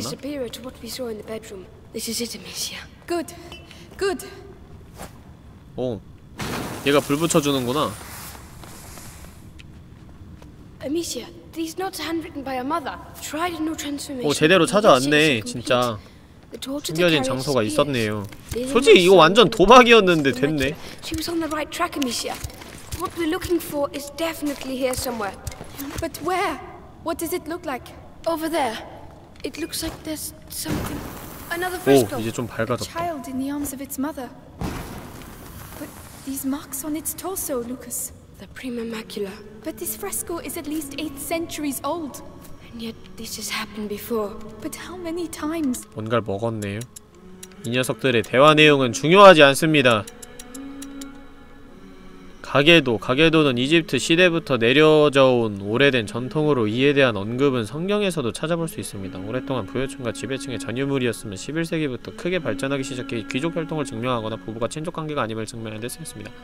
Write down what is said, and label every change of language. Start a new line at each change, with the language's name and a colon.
English: Vastly superior to what we saw in the bedroom. This is it, Amicia. Good. Good.
Korean: 오. 얘가 불 붙여주는구나.
English: Amicia, these notes are handwritten by a mother. Tried a new transformation.
Korean: 오, 제대로 찾아왔네. 진짜. 숨겨진 장소가 있었네요. 솔직히 이거 완전 도박이었는데 됐네.
English: She was on the right track, Amicia. What we're looking for is definitely here somewhere. But where? What does it look like? Over there. It looks like there's something. Another fresco.
Korean: 오, 이제 좀 밝아졌다.
English: Child in the arms of its mother. But these marks on its torso, Lucas. The prima macula. But this fresco is at least 8 centuries old. Yet this has happened before. But how many times?
Korean: 뭔가를 먹었네요. 이 녀석들의 대화 내용은 중요하지 않습니다. 가게도는 이집트 시대부터 내려져온 오래된 전통으로 이에 대한 언급은 성경에서도 찾아볼 수 있습니다. 오랫동안 부유층과 지배층의 잔유물이었으면 11세기부터 크게 발전하기 시작해 귀족 혈통을 증명하거나 부부가 친족 관계가 아님을 증명하는 데 쓰였습니다.